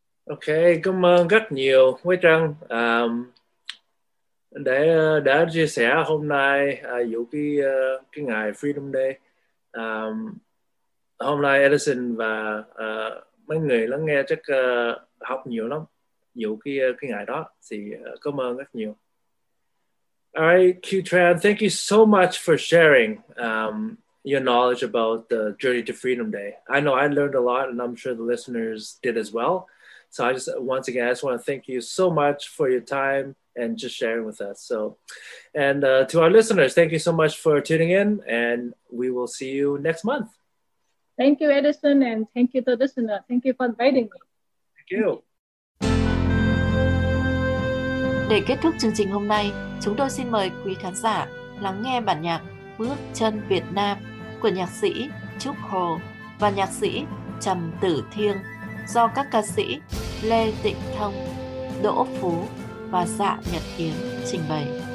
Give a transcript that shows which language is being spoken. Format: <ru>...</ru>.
<vi>Ok, cảm ơn rất nhiều với Trân để chia sẻ hôm nay dù cái ngày Freedom Day. Hôm nay Edison và mấy người lắng nghe chắc học nhiều lắm dù cái ngày đó, thì cảm ơn rất nhiều.</vi> <en>Alright, Q-Tran, thank you so much for sharing your knowledge about the Journey to Freedom Day. I know I learned a lot, and I'm sure the listeners did as well. So I just, once again, I just want to thank you so much for your time and just sharing with us. So, and to our listeners, thank you so much for tuning in, and we will see you next month. Thank you, Edison, and thank you to the listener. Thank you for inviting me. Thank you.</en> <vi>Để kết thúc chương trình hôm nay, chúng tôi xin mời quý khán giả lắng nghe bản nhạc Bước Chân Việt Nam của nhạc sĩ Trúc Hồ và nhạc sĩ Trầm Tử Thiêng do các ca sĩ Lê Tịnh Thông, Đỗ Phú và Dạ Nhật Yến trình bày.</vi>